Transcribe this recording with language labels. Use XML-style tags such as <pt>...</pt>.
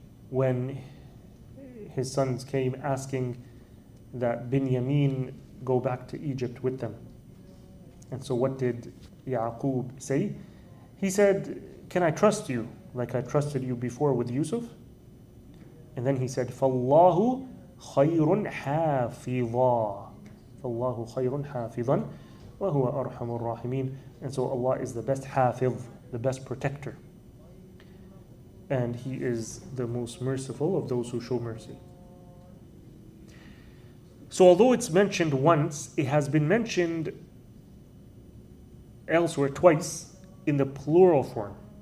<en>When his sons came asking that Binyamin go back to Egypt with them. And so what did Ya'qub say? He said, "Can I trust you like I trusted you before with Yusuf?" And then he said,</en> <ar>"فَاللَّهُ خَيْرٌ حَافِظًا فَاللَّهُ خَيْرٌ حَافِظًا وَهُوَ أَرْحَمُ الرَّاحِمِينَ."</ar> <en>And so Allah is the best hafiz, the best protector. And He is the most merciful of those who show mercy. So although it's mentioned once, it has been mentioned elsewhere twice in the plural form.</en>